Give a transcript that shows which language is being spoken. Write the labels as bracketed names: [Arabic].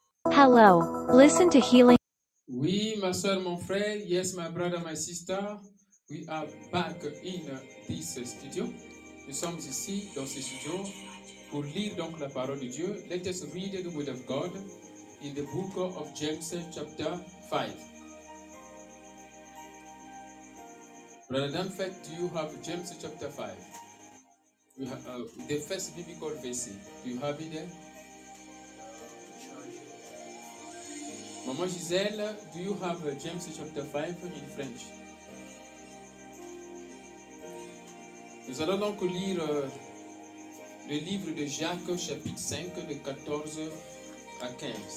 [English] Hello, listen to Healing. [French] Oui, ma soeur, mon frère. [English] Yes, my brother, my sister. We are back in this studio. [French] Nous sommes ici dans ce studio pour lire donc la parole de Dieu. [English] Let us read the word of God in the book of James, chapter 5. Brother Danfait, do you have James chapter 5? The first biblical verse. Do you have it there? Maman Giselle, do you have James chapter 5 in French? [French] Nous allons donc lire le livre de Jacques, chapitre 5, de 14 à 15.